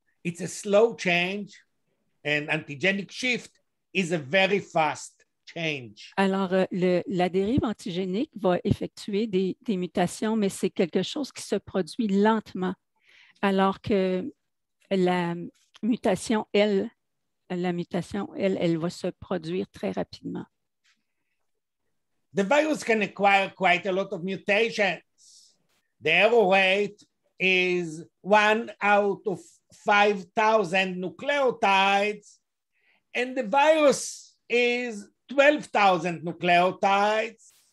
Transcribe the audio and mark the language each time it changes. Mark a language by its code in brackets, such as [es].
[en] It's a slow change, and antigenic shift is a very fast change. [fr] Alors, la dérive antigénique va effectuer des mutations, mais c'est quelque chose qui se produit lentement, alors que la mutation, elle va se produire très rapidement. [en] The virus can acquire quite a lot of mutations. The error rate is 1 out of 5,000 nucleotides, and the virus is 12,000 nucleotides.